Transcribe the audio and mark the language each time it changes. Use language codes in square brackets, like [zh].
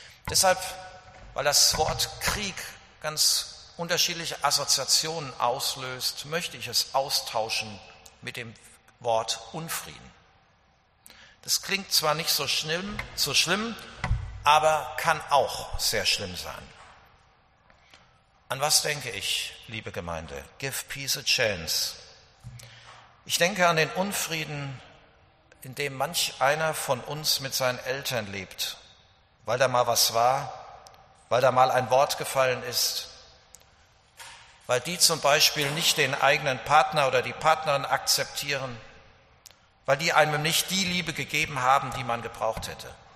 [de] Deshalb, weil das Wort Krieg ganz unterschiedliche Assoziationen auslöst, möchte ich es austauschen mit dem Wort Unfrieden. Das klingt zwar nicht so schlimm, aber kann auch sehr schlimm sein. An was denke ich, liebe Gemeinde? [en] Give peace a chance. [de] Ich denke an den Unfrieden, in dem manch einer von uns mit seinen Eltern lebt, weil da mal was war, weil da mal ein Wort gefallen ist, weil die zum Beispiel nicht den eigenen Partner oder die Partnerin akzeptieren, weil die einem nicht die Liebe gegeben haben, die man gebraucht hätte.